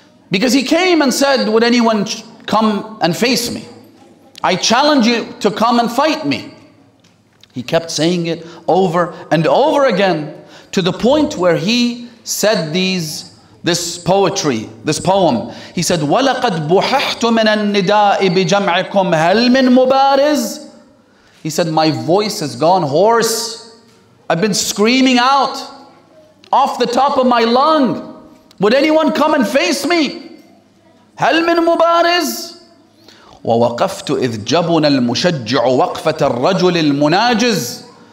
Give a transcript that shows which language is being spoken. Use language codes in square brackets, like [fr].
[en] Because he came and said, would anyone come and face me? I challenge you to come and fight me. He kept saying it over and over again to the point where he said this poem. He said, [ar] وَلَقَدْ بُحِحْتُ مِنَ النِّدَاءِ بِجَمْعِكُمْ هَلْ مِنْ مُبَارِزِ. [en] He said, my voice has gone hoarse. I've been screaming out off the top of my lung. Would anyone come and face me? [ar] هَلْ مِنْ مُبَارِزِ. وَوَقَفْتُ إِذْ جَبُنَ الْمُشَجِّعُ وَقْفَةَ الرَّجُلِ الْمُنَاجِزِ.